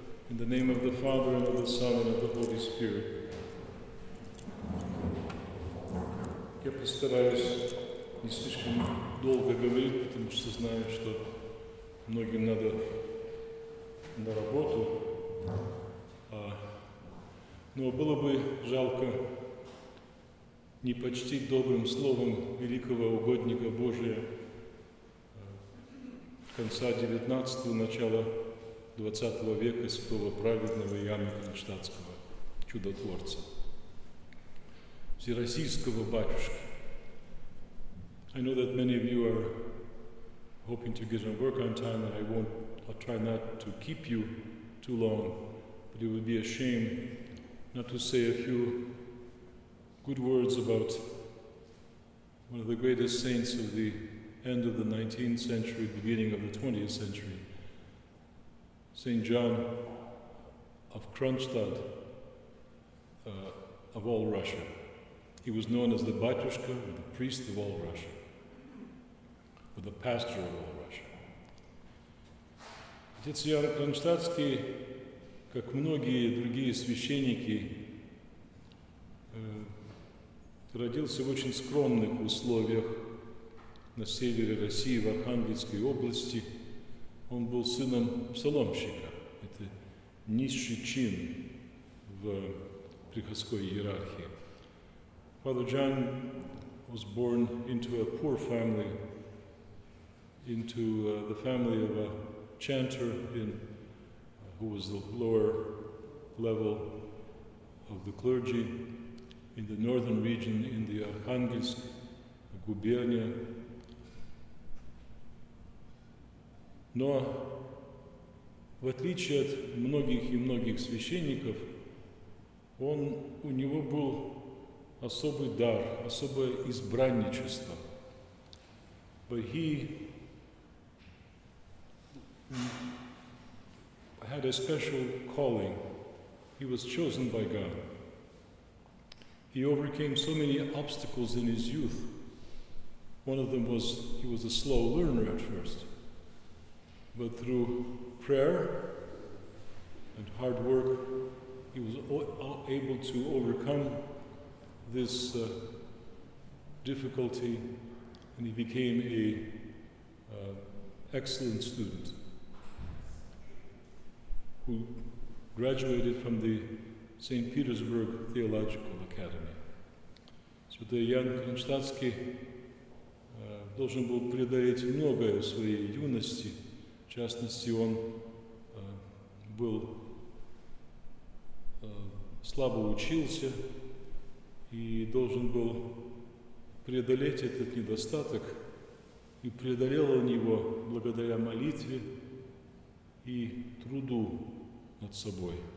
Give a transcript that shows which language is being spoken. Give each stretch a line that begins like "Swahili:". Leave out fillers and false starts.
English: In the name of the Father, and of the Son, and of the Holy Spirit.
Russian: Я постараюсь не слишком долго говорить, потому что знаю, что многим надо на работу. Но было бы жалко не почтить добрым словом великого угодника Божия конца 19-го, начала 20 века святого праведного Иоанна Кронштадтского, чудотворца, всероссийского батюшки.
English: I know that many of you are hoping to get some work on time, and I'll try not to keep you too long, but it would be a shame not to say a few good words about one of the greatest saints of the end of the 19th century, beginning of the 20th century, Saint John of Kronstadt, of all Russia. He was known as the Batyushka, or the priest of all Russia, or the pastor of all Russia.
Russian: Отец Иоанн Кронштадтский, как многие другие священники, родился в очень скромных условиях на севере России, в Архангельской области. Он был сыном псаломщика, это низший чин в приходской иерархии.
English: Father John was born into a poor family, into the family of a chanter who was the lower level of the clergy in the northern region, in the Архангельск губерния.
Russian: Но, в отличие от многих и многих священников, у него был особый дар, особое избранничество.
English: But he had a special calling. He was chosen by God. He overcame so many obstacles in his youth. One of them was he was a slow learner at first. But through prayer and hard work, he was able to overcome this difficulty, and he became a excellent student who graduated from the St. Petersburg Theological Academy.
Russian: Святой Иоанн Кронштадтский должен был преодолеть многое в своей юности. В частности, он был слабо учился и должен был преодолеть этот недостаток, и преодолел он его благодаря молитве и труду над собой.